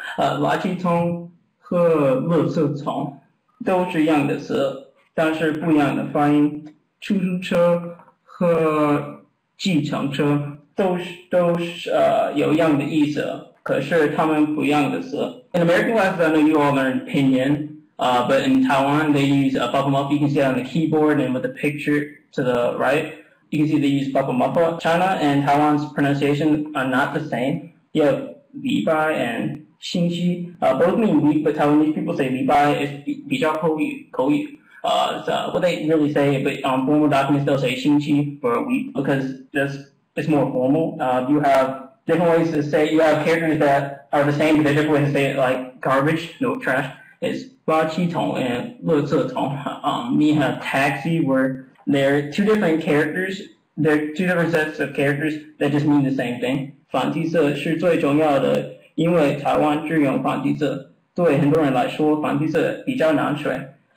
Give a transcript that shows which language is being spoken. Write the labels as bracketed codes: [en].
[zh] 垃圾桶和垃圾桶都是一样的词，但是不一样的发音。出租车和计程车都是有一样的意思，可是他们不一样的词。 [en] In American West, I know you all learn pinyin, but in Taiwan, they use a bubble muffle. You can see it on the keyboard and with the picture to the right. You can see they use bubble muffle. China and Taiwan's pronunciation are not the same. You have 礼拜 and 星期, both mean week, but Taiwanese people say 礼拜 is [zh] 比较口语。 [en] what they really say, but on formal documents, they'll say 星期 for a week because it's more formal. You have different ways to say, you have characters that are the same, but they're different ways to say it, like garbage, no trash. It's 垃圾桶 and 垃圾桶.You have taxi, where they're two different characters. They're two different sets of characters that just mean the same thing. [zh] 繁体字是最重要的, 因为台湾只用繁体字, 对很多人来说繁体字比较难学。